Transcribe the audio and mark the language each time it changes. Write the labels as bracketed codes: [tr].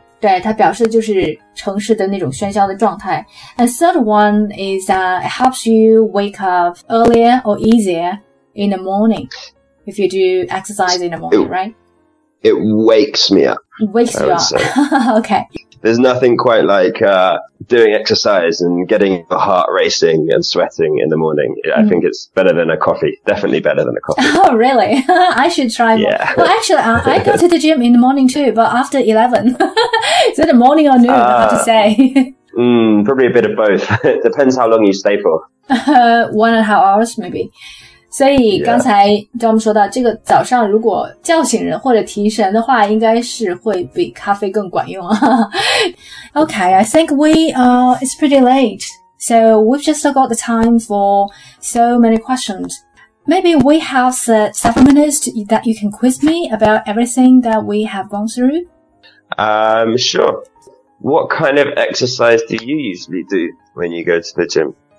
[zh] 对，它表示就是城市的那种喧嚣的状态。 [en] And third one is that it helps you wake up earlier or easier in the morning if you do exercise in the morning, right? It wakes me up. Wakes you up. Okay. There's nothing quite like doing exercise and getting your heart racing and sweating in the morning. I think it's better than a coffee. Definitely better than a coffee. Oh, really? I should try more. Yeah. Well, actually, I go to the gym in the morning too, but after 11. Is it a morning or noon? I have to say. Probably a bit of both. It depends how long you stay for. 1.5 hours, maybe. [zh] 所以刚才 Dom 说到这个早上如果叫醒人或者提神的话应该是会比咖啡更管用啊。 [en] Okay, I think it's pretty late. So we've just got the time for so many questions. Maybe we have 7 minutes that you can quiz me about everything that we have gone through. Sure. What kind of exercise do you usually do when you go to the gym?